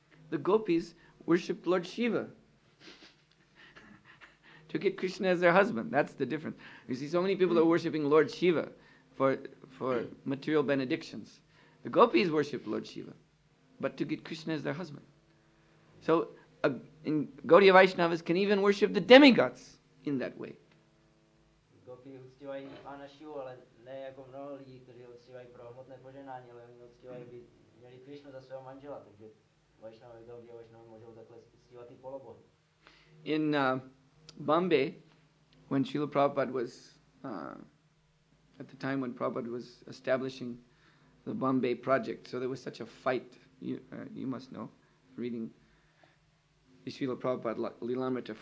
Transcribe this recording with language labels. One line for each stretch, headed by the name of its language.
English: the gopis worshipped Lord Shiva to get Krishna as their husband. That's the difference. You see, so many people are worshipping Lord Shiva for material benedictions. The gopis worship Lord Shiva, but to get Krishna as their husband. So in Gaudiya Vaishnavas can even worship the demigods in that way.
Czech: Gopi uctívají Pána Šivu, ale ne jako mnoho lidí, kteří uctívají pro hmotné poženání, ale oni uctívají by měli Krishnu za svého manžela, takže Vaishnavy, Gaudiya Vaishnavy můžou takhle uctívat i polobohy.
English: In Bombay, when Srila Prabhupada was at the time when Prabhupada was establishing the Bombay project, so there was such a fight, you must know, reading Srila Prabhupada Lilamrita.